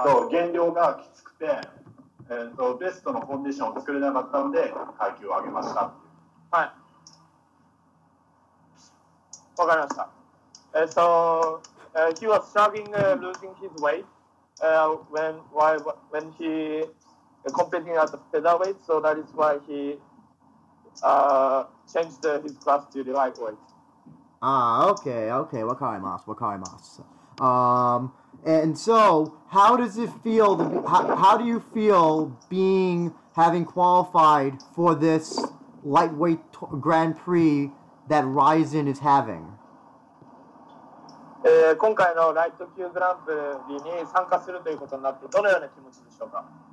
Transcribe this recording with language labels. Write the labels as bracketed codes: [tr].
[ja] 減量がきつくて、ベストのコンディションを作れなかったので、階級を上げました。はい。分かりました。 [en] So, he was struggling losing his weight when he competing at the featherweight, so that is why he changed his class to the lightweight. Okay. Wakaimasu. And so, how does it feel? How do you feel having qualified for this lightweight Grand Prix that Ryzen is having? [ja] 今回のライト級グランプリに参加するということになってどのような気持ちでしょうか？